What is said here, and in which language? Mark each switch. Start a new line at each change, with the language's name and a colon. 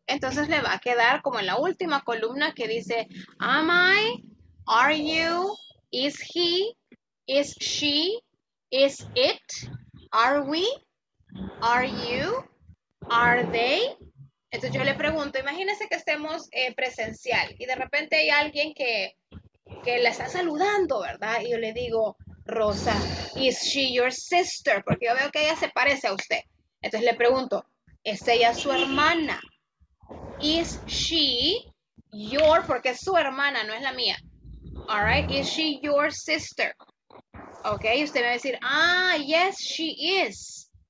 Spanish: Entonces le va a quedar como en la última columna que dice, am I, are you, is he, is she, is it, are we, are you, are they. Entonces yo le pregunto, imagínese que estemos presencial y de repente hay alguien que la está saludando, ¿verdad? Y yo le digo, Rosa,
English: is she your sister?
Spanish: Porque yo veo que ella se parece a usted. Entonces le pregunto, ¿es ella su hermana?
English: Is she your,
Spanish: porque es su hermana, no es la mía.
English: All right, is she your sister? Ok,
Spanish: y usted me va a decir,
English: ah, yes, she is.